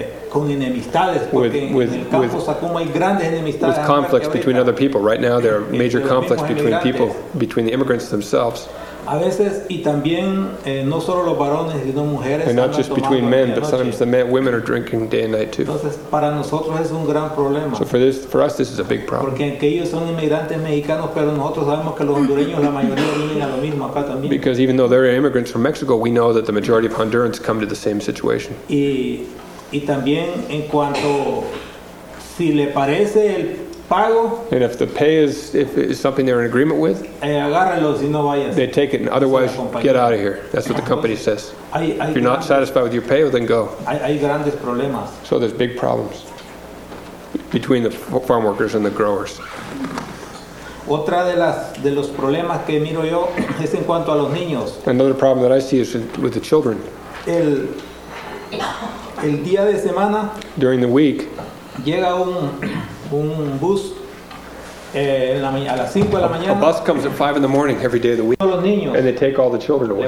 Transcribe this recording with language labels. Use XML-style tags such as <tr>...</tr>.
<es>Con enemistades, porque en el campo Sakuma hay grandes enemistades.</es> <en>With conflicts between other people. Right now there are major conflicts between people, between the immigrants themselves.</en> <es>A veces, y también, no solo los varones, sino mujeres.</es> <en>And not just between men, but sometimes the men, women are drinking day and night too.</en> <es>Entonces, para nosotros es un gran problema.</es> <en>So for us, this is a big problem.</en> <es>Porque aunque ellos son inmigrantes mexicanos, pero nosotros sabemos que los hondureños, la mayoría, vienen a lo mismo acá también.</es> <en>Because even though they're immigrants from Mexico, we know that the majority of Hondurans come to the same situation.</en> <es>Y también, en cuanto, si le parece el pago.</es> <en>And if the pay is something they're in agreement with,</en> <es>agárralo, si no vayas,</es> <en>they take it, and otherwise get out of here. That's what the company says. If you're not satisfied with your pay, well, then go.</en> <es>Hay grandes problemas.</es> <en>So there's big problems between the farm workers and the growers.</en> <es>Otra de los problemas que miro yo es en cuanto a los niños.</es> <en>Another problem that I see is with the children.</en> <es>El día de semana,</es> <en>during the week,</en> <es>llega un bus A</es> <en>bus comes at 5 in the morning every day of the week. And they take all the children away.</en>